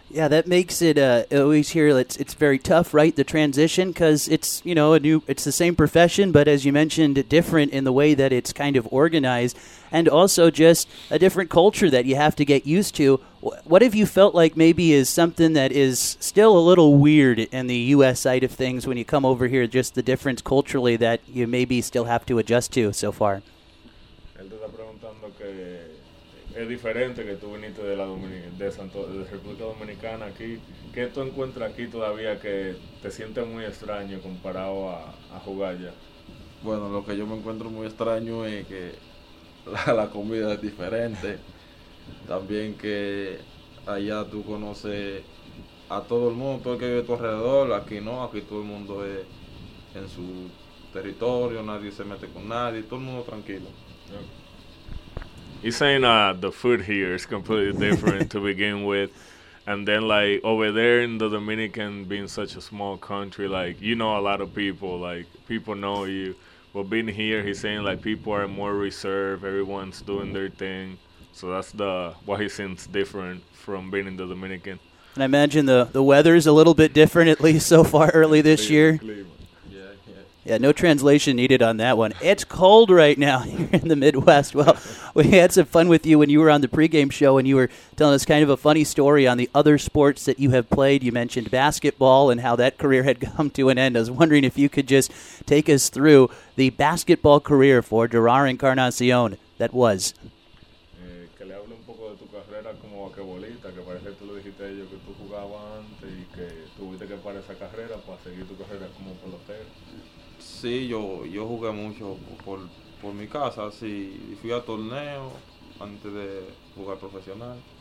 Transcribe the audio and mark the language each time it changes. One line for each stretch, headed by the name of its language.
English: Yeah, that makes it, always hear it's very tough, right, the transition, because it's, you know, it's the same profession, but as you mentioned, different in the way that it's kind of organized, and also just a different culture that you have to get used to. What have you felt like maybe is something that is still a little weird in the U.S. side of things when you come over here, just the difference culturally that you maybe still have to adjust to so far?
Spanish: Él te está preguntando que es diferente que tú viniste de República Dominicana aquí. ¿Qué tú encuentras aquí todavía que te sientes muy extraño comparado a jugar ya? Bueno, lo que yo me encuentro muy extraño es que la comida es diferente. También que allá tú conoces a todo el mundo, todo el que vive a tu alrededor. Aquí no, aquí todo el mundo es en su territorio, nadie se mete con nadie, todo el mundo tranquilo.
English: He's saying the food here is completely different to begin with. And then, like, over there in the Dominican, being such a small country, like, you know a lot of people, like, people know you. But being here, he's saying, like, people are more reserved, everyone's doing their thing. So that's what he thinks different from being in the Dominican. And I imagine the weather is a little bit different, at least so far early this year. Yeah, no translation needed on that one. It's cold right now here in the Midwest. Well, we had some fun with you when you were on the pregame show and you were telling us kind of a funny story on the other sports that you have played. You mentioned basketball and how that career had come to an end. I was wondering if you could just take us through the basketball career for Gerard Encarnacion that was.
Spanish: Que le hable un poco de tu carrera como basquetbolista, que parece que tú lo dijiste a ellos que tú jugabas antes y que tuviste que parar esa carrera para seguir tu carrera como pelotero. Sí, yo jugué mucho por mi casa, sí. Fui a torneo antes de jugar profesional.